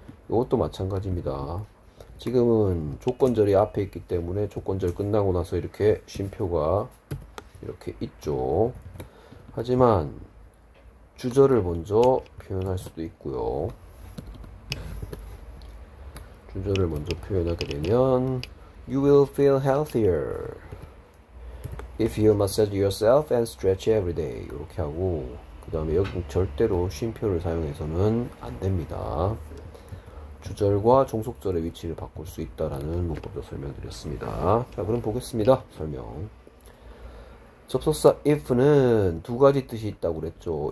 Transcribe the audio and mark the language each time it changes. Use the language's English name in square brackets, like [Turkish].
[Korean] 이것도 마찬가지입니다. 지금은 조건절이 앞에 있기 때문에 조건절 끝나고 나서 이렇게 쉼표가 이렇게 있죠. 하지만 주절을 먼저 표현할 수도 있고요. 주절을 먼저 표현하게 되면 [English] You will feel healthier if you massage yourself and stretch every day. [Korean] 이렇게 하고 그 다음에 여기 절대로 쉼표를 사용해서는 안 됩니다. 주절과 종속절의 위치를 바꿀 수 있다라는 문법도 설명드렸습니다. 자, 그럼 보겠습니다. 설명. 접속사 if는 두 가지 뜻이 있다고 그랬죠.